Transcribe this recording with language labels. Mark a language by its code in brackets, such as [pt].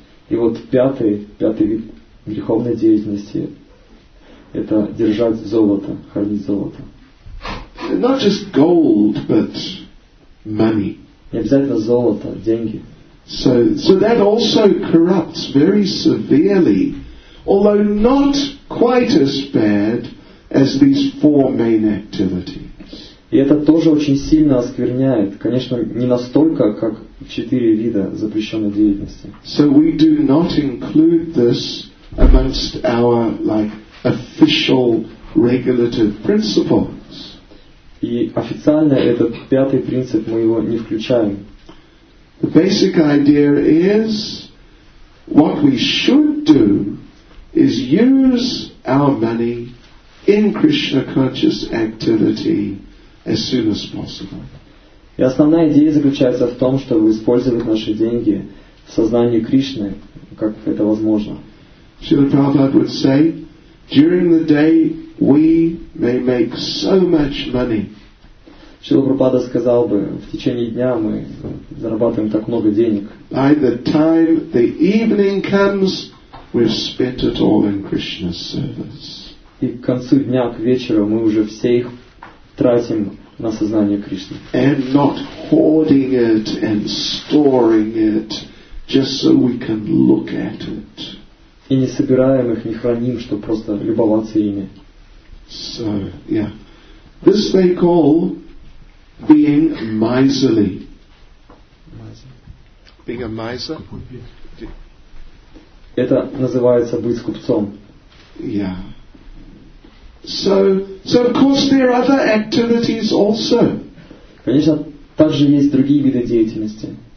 [ru] И вот пятый вид греховной деятельности – это держать золото, хранить золото. [en] Not just gold, but money. [ru] Не обязательно золото, деньги. [en] So that also corrupts very severely, although not quite as bad as these four main activities. [ru] И это тоже очень сильно оскверняет. Конечно, не настолько, как четыре вида запрещенной деятельности. [en] So we do not include this amongst our like official regulative principles. [ru] И официально этот пятый принцип мы его не включаем. [en] The basic idea is what we should do is use our money in Krishna conscious activity as soon as possible. [ru] И основная идея заключается в том, чтобы использовать наши деньги в сознании Кришны, как это возможно. [en] Srila Prabhupada would say, during the day we may make so much money. [ru] Srila Prabhupada сказал бы, в течение дня мы зарабатываем так много денег. [en] By the time the evening comes, we've spent it all in Krishna's service. [ru] И к концу дня, к вечеру, мы уже все их тратим на сознание Кришны. [en] And not hoarding it and storing it just so we can look at it. [ru] И не собираем их, не храним, чтобы просто любоваться ими. [en] So, yeah. This they call being miserly. Being a miser? [ru] Это называется быть скупцом. [en] Yeah. So of course there are other activities also. [ru] Конечно, также есть другие виды деятельности.